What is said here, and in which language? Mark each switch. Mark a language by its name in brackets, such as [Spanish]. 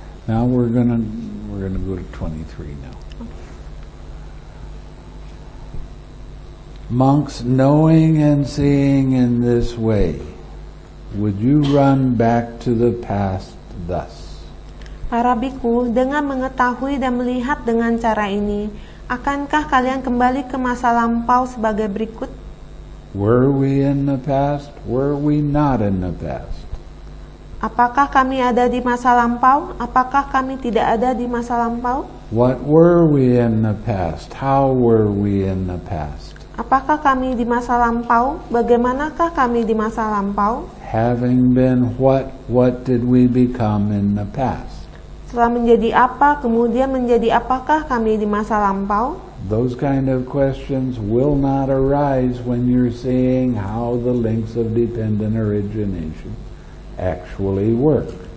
[English] Now we're gonna go to 23 now. Okay. monks knowing and seeing in this way, would you run back to the past thus? [Indonesian] Para bhikkhu, dengan mengetahui dan melihat dengan cara ini, akankah kalian kembali ke masa lampau sebagai berikut? [English] Were we in the past? Were we not in the past? [Indonesian] Apakah kami ada di masa lampau? Apakah kami tidak ada di masa lampau? [English] What were we in the past? How were we in the past? [Indonesian] Apakah kami di masa lampau? Bagaimanakah kami di masa lampau? [English] Having been what? What did we become in the past? [Indonesian] Setelah menjadi apa, kemudian menjadi apakah kami di masa lampau? [English] Those kind of questions will not arise when you're seeing how the links of dependent origination actually work.